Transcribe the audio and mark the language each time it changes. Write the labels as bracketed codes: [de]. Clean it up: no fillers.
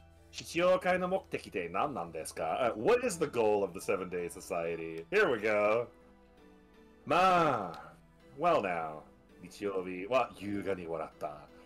[ja] 必要会の目的で何なんですか? [en] What is the goal of the Seven Day Society? Here we go. まあ、well now. [ja] 日曜日は優雅に笑った。